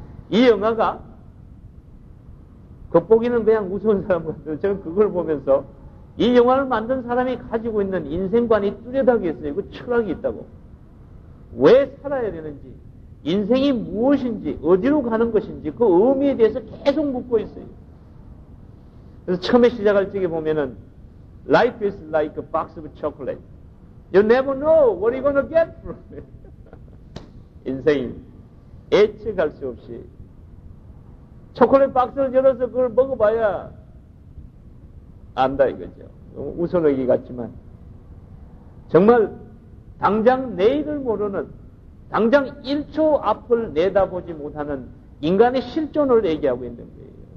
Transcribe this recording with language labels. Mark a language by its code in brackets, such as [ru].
[ko] 이 영화가 겉보기는 그냥 무서운 사람 같아요. 저는 그걸 보면서 이 영화를 만든 사람이 가지고 있는 인생관이 뚜렷하게 있어요. 그 철학이 있다고. 왜 살아야 되는지, 인생이 무엇인지, 어디로 가는 것인지, 그 의미에 대해서 계속 묻고 있어요. 그래서 처음에 시작할 적에 보면은 [en] Life is like a box of chocolate. You never know what you're gonna get from it. [ko] 인생이 예측할 수 없이 초콜릿 박스를 열어서 그걸 먹어봐야 안다 이거죠. 너무 우선 얘기 같지만 정말 당장 내일을 모르는, 당장 1초 앞을 내다보지 못하는 인간의 실존을 얘기하고 있는 거예요.